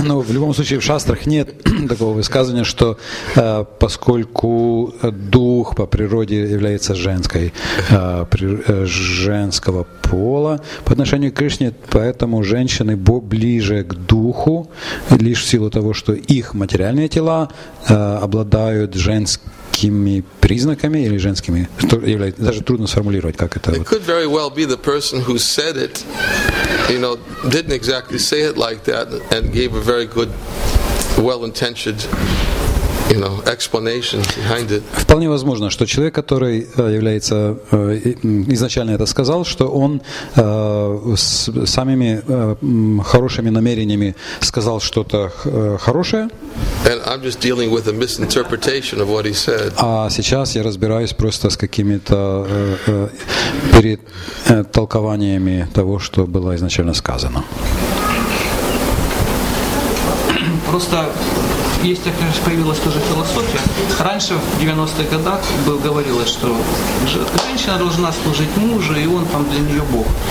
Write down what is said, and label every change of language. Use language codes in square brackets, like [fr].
[ru] Но в любом случае в шастрах нет такого высказывания, что поскольку дух по природе является женского пола по отношению к Кришне, поэтому женщины ближе к духу лишь в силу того, что их материальные тела обладают женским признаками или женскими, даже трудно сформулировать, как это. [en] It could very well be the person who said it, you know, didn't exactly say it like that, and gave a very good, well-intentioned, you know, explanation behind it. [ru] Вполне возможно, что человек, который является изначально это сказал, что он с самыми хорошими намерениями сказал что-то хорошее. [en] And I'm just dealing with a misinterpretation of what he said. [ru] А сейчас я разбираюсь просто с какими-то перетолкованиями того, что было изначально сказано. Просто есть, конечно, появилась тоже философия. Раньше, в 90-х годах, говорилось, что женщина должна служить мужу, и он там для нее Бог.